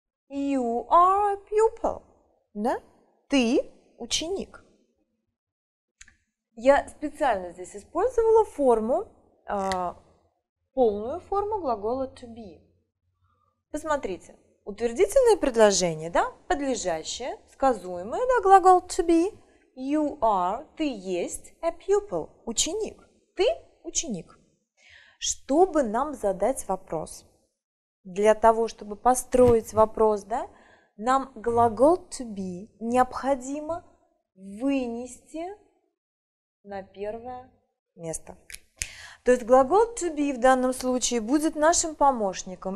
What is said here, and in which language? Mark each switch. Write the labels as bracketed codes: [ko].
[en] You are a pupil. [ru] Да? Ты ученик. Я специально здесь использовала форму, полную форму глагола to be. Посмотрите. Утвердительное предложение, да, подлежащее, сказуемое, да, глагол to be. [en] You are, [ru] ты есть, [en] a pupil, [ru] ученик. Ты ученик. Чтобы нам задать вопрос, для того, чтобы построить вопрос, да, нам глагол to be необходимо вынести на первое место. То есть глагол to be в данном случае будет нашим помощником.